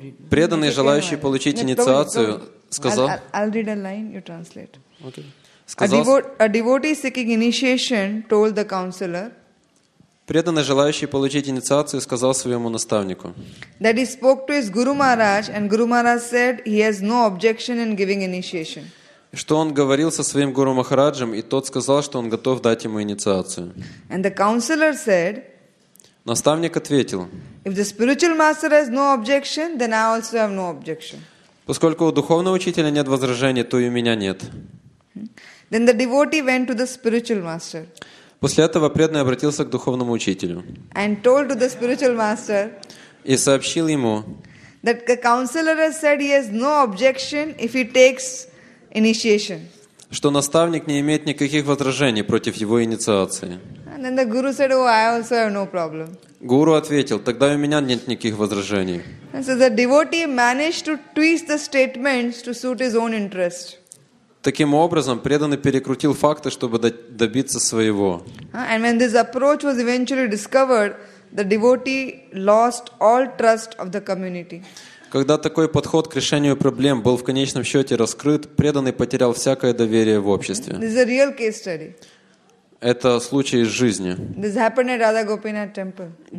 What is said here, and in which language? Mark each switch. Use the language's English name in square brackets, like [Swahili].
[Russian] Преданный, желающий получить инициацию, сказал. [English] I'll read a line. You translate. Okay. A devotee seeking initiation told the counselor. [Russian] Преданный, желающий получить инициацию, сказал своему наставнику. [English] That he spoke to his Guru Maharaj, and Guru Maharaj said he has no objection in giving initiation. [Russian] Что он говорил со своим Гуру Махараджем, и тот сказал, что он готов дать ему инициацию. [English] And the counselor said, [Russian] наставник ответил, [English] if the spiritual master has no objection, then I also have no objection. [Russian] Поскольку у духовного учителя нет возражений, то и у меня нет. [English] Then the devotee went to the spiritual master. [Russian] После этого преданный обратился к духовному учителю. [English] And told to the spiritual master, [Russian] и сообщил ему, [English] that the counselor has said he has no objection if he takes initiation. [Russian] Что наставник не имеет никаких возражений против его инициации. [English] And then the guru said, oh, I also have no problem. [Russian] Гуру ответил, тогда у меня нет никаких возражений. [English] And so the devotee managed to twist the statements to suit his own interest. [Russian] Таким образом, преданный перекрутил факты, чтобы добиться своего. [English] And when this approach was eventually discovered, the devotee lost all trust of the community. [Russian] Когда такой подход к решению проблем был в конечном счете раскрыт, преданный потерял всякое доверие в обществе. [English] This is a real case study. [Russian] Это случай из жизни. [English] This happened at Radha Gopinath temple.